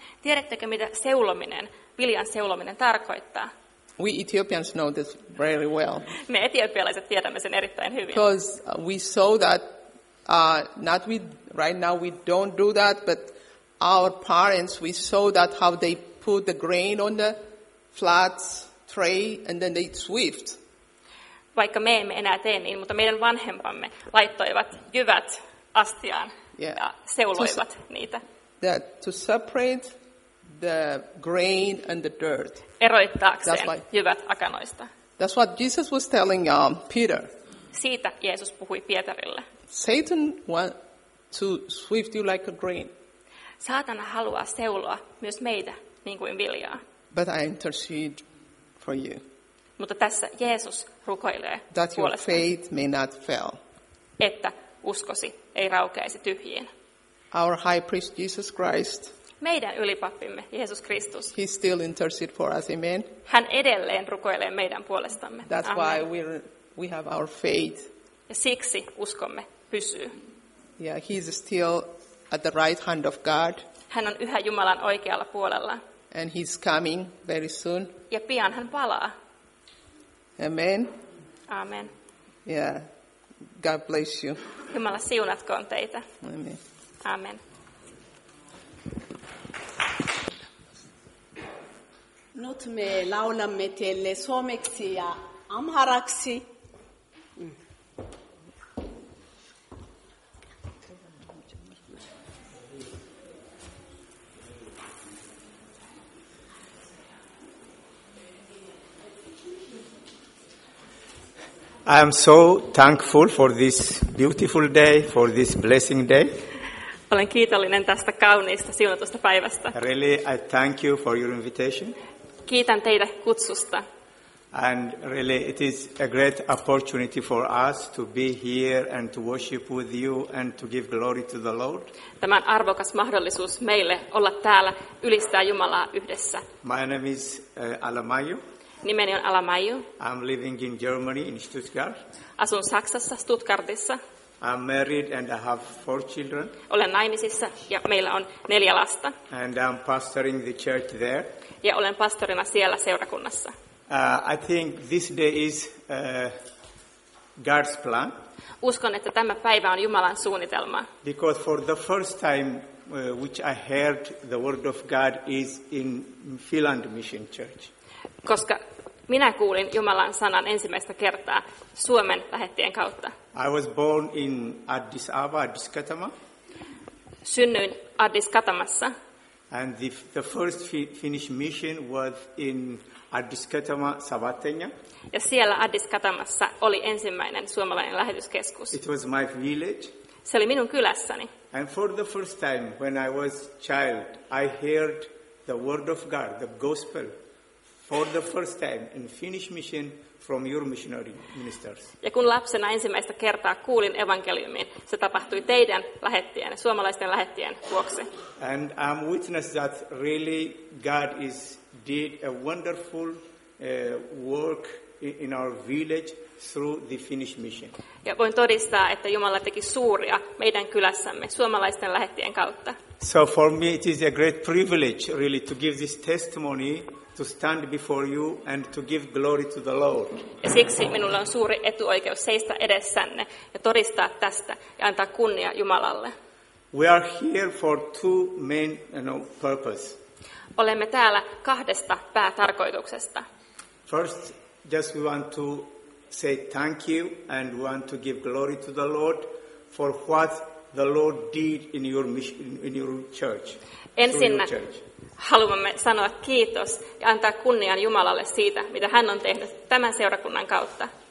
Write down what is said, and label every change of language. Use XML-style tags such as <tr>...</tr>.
<fi>Tiedättekö mitä seulominen, viljan seulominen tarkoittaa?</fi> <en>We Ethiopians know this very well.</en> <fi>Me etiopialaiset tiedämme sen erittäin hyvin.</fi> <en>Because we saw that not we right now we don't do that, but our parents we saw that how they put the grain on the flat tray and then they swift.</en> <fi>Vaikka me emme enää tee niin, mutta meidän vanhempamme laittoivat jyvät astiaan ja seuloivat niitä.</fi> <en>That to separate the grain and the dirt.</en> <fi>Eroittaakseen jyvät akanoista.</fi> <en>That's what Jesus was telling Peter.</en> <fi>Siitä Jeesus puhui Pietarille.</fi> <en>Satan wants to sift you like a grain.</en> <fi>Saatana haluaa seuloa myös meitä niin kuin viljaa.</fi> <en>But I intercede for you.</en> <fi>Mutta tässä Jeesus rukoilee</fi> <en>that your faith may not fail.</en> <fi>Että uskosi ei raukeaisi tyhjiin.</fi> <en>Our high priest Jesus Christ.</en> <fi>Meidän ylipappimme Jeesus Kristus.</fi> <en>He still intercedes for us, amen.</en> <fi>Hän edelleen rukoilee meidän puolestamme.</fi> <en>That's amen. Why we have our faith.</en> <fi>Ja siksi uskomme pysyy.</fi> <en>Yeah, he is still at the right hand of God.</en> <fi>Hän on yhä Jumalan oikealla puolella.</fi> <en>And he's coming very soon.</en> <fi>Ja pian hän palaa.</fi> <en>Amen. Amen. Yeah. God bless you.</en> <fi>Jumala siunatkoon teitä.</fi> <en>Amen. Amen.</en> <fi>Nyt me laulamme teille suomeksi ja amharaksi.</fi> <en>I am so thankful for this beautiful day, for this blessing day.</en> <fi>Olen kiitollinen tästä kauniista siunatusta päivästä.</fi> <en>Really, I thank you for your invitation.</en> <fi>Kiitän teitä kutsusta.</fi> <en>And really, it is a great opportunity for us to be here and to worship with you and to give glory to the Lord.</en> <fi>Tämä on arvokas mahdollisuus meille olla täällä ylistää Jumalaa yhdessä.</fi> <en>My name is Alamayu.</en> <fi>Nimeni on Alamayu.</fi> <en>I'm living in Germany, in Stuttgart.</en> <fi>Asun Saksassa, Stuttgartissa.</fi> <en>I'm married and I have 4 children.</en> <fi>Olen naimisissa ja meillä on 4 lasta.</fi> <en>And I'm pastoring the church there.</en> <fi>Ja olen pastorina siellä seurakunnassa.</fi> <en>I think this day is God's plan.</en> <fi>Uskon, että tämä päivä on Jumalan suunnitelma.</fi> <en>Because for the first time which I heard the word of God is in Finland Mission Church.</en> <fi>Koska minä kuulin Jumalan sanan ensimmäistä kertaa Suomen lähettien kautta.</fi> <en>I was born in Addis Ababa, Addis Katama.</en> <fi>Synnyin Addis Katamassa.</fi> <en>And the first Finnish mission was in Addis Katama, Savatenia.</en> <fi>Ja siellä Addis Katamassa oli ensimmäinen suomalainen lähetyskeskus.</fi> <en>It was my village.</en> <fi>Se oli minun kylässäni.</fi> <en>And for the first time when I was child, I heard the word of God, the gospel. For the first time in Finnish mission from your missionary ministers.</en> <fi>Ja kun lapsena ensimmäistä kertaa kuulin evankeliumin, se tapahtui teidän lähettien, suomalaisten lähettien vuoksi.</fi> <en>And I'm witness that really God is did a wonderful work in our village through the Finnish mission.</en> <fi>Ja voin todistaa, että Jumala teki suuria meidän kylässämme suomalaisten lähettien kautta.</fi> <en>So for me it is a great privilege really to give this testimony to stand before you and to give glory to the Lord.</en> <fi>Ja siksi minulla on suuri etuoikeus seistä edessänne ja todistaa tästä ja antaa kunnia Jumalalle.</fi> <en>We are here for two main purpose.</en> <fi>Olemme täällä kahdesta päätarkoituksesta.</fi> <en>First, just we want to say thank you and we want to give glory to the Lord for what the Lord did in your mission, in your church.</en> <fi>Ensinnä haluamme sanoa kiitos ja antaa kunnian Jumalalle siitä, mitä hän on tehnyt tämän seurakunnan kautta.</fi>